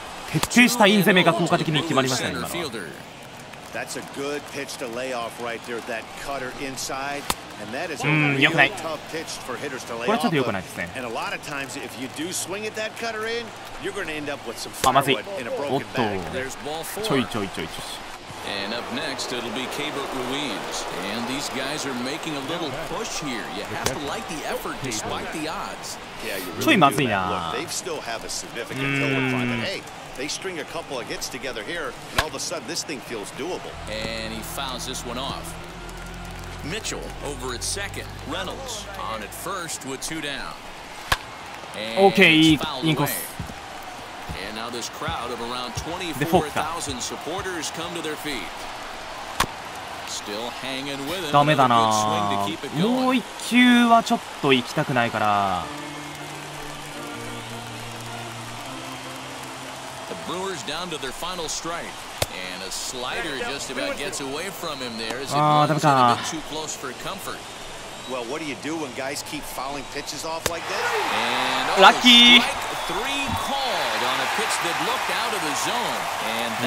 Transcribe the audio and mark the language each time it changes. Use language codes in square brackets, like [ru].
[ja] 徹底したイン攻めが効果的に決まりましたね、今のは。 [en] That's a good pitch to lay off right there. That cutter inside, and that is a really tough pitch for hitters to lay off. And a lot of times, if you do swing at that cutter in, you're going to end up with some firewood in a broken bag. There's ball four. And up next, it'll be Keibert Ruiz. And these guys are making a little push here. You have to like the effort despite the odds. Yeah, you really do. They still have a significant hill in front of them. They string a couple of hits together here, and all of a sudden this thing feels doable. And he fouls this one off. Mitchell over at second. Reynolds on at first with two down. Okay, Inkos. And now this crowd of around 24,000 supporters come to their feet. Still hanging with him. [ja] ダメだな。もう一球はちょっと行きたくないから。 [en] Brewers down to their final strike, and a slider just about gets away from him there as it runs a bit too close for comfort. Well, what do you do when guys keep fouling pitches off like this? Lucky. Three called on a pitch that looked out of the zone.